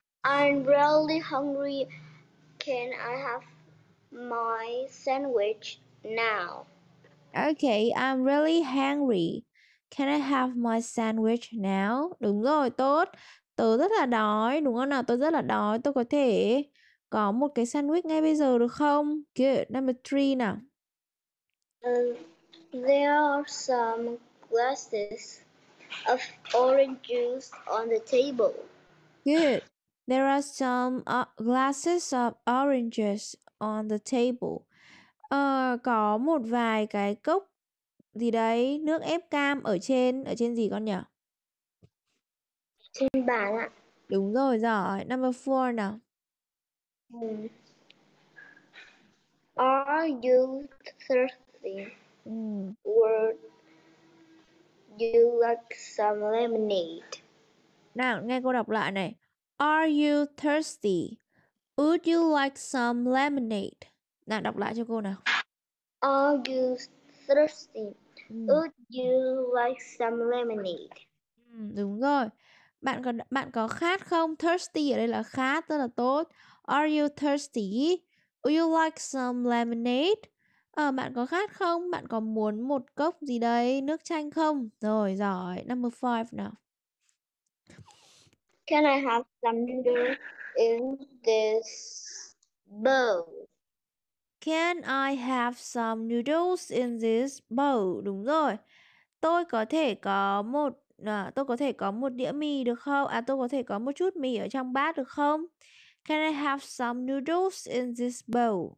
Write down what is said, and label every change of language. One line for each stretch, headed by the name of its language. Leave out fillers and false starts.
English: I'm really hungry. Can I have my sandwich now? Okay, I'm really hungry. Can I have my sandwich now?
Vietnamese: Đúng rồi, tốt. Tớ rất là đói, đúng không nào? Tớ rất là đói, tôi có thể có một cái sandwich ngay bây giờ được không?
English: Good, number three nào. There are some glasses of orange juice on the table. Good. There are some glasses of oranges on the table.
Vietnamese: Có một vài cái cốc gì đấy, nước ép cam ở trên gì con nhỉ? Trên bàn ạ. Đúng rồi, giỏi.
English: Number four
Vietnamese: nào.
English: Are you thirsty? Would you like some lemonade?
Vietnamese: Nào, nghe cô đọc lại này.
English: Are you thirsty? Would you like some lemonade?
Vietnamese: Nào, đọc lại cho cô nào.
English: Are you thirsty? Would you like some lemonade?
Vietnamese: Đúng rồi. Bạn có khát không? Thirsty ở đây là khát, tức là tốt.
English: Are you thirsty? Would you like some lemonade?
Vietnamese: Bạn có khát không? Bạn có muốn một cốc gì đấy? Nước chanh không? Rồi, giỏi.
English: Number 5
Vietnamese: nào.
English: Can I have some noodles in this bowl? Can I have some noodles in this bowl?
Vietnamese: Đúng rồi. Tôi có thể có một đĩa mì được không? Tôi có thể có một chút mì ở trong bát được không?
English: Can I have some noodles in this bowl?